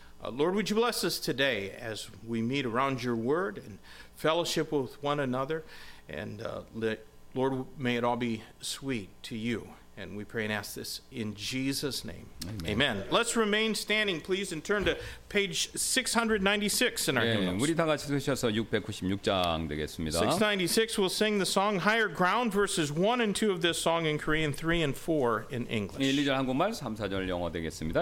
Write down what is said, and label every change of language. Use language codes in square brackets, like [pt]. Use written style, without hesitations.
[en] Lord, would you bless us today as we meet around your word and fellowship with one another, and Lord, may it all be sweet to you. And we pray and ask this in Jesus' name. Amen. Amen. Let's remain standing, please, and turn to page 696 in our hymnals. [ko] 우리 다 같이 696장 되겠습니다. [en] 696, we'll sing the song Higher Ground, verses 1 and 2 of this song in Korean, 3 and 4 in English. [ko] 1, 2절 한국말, 3, 4절 영어 되겠습니다.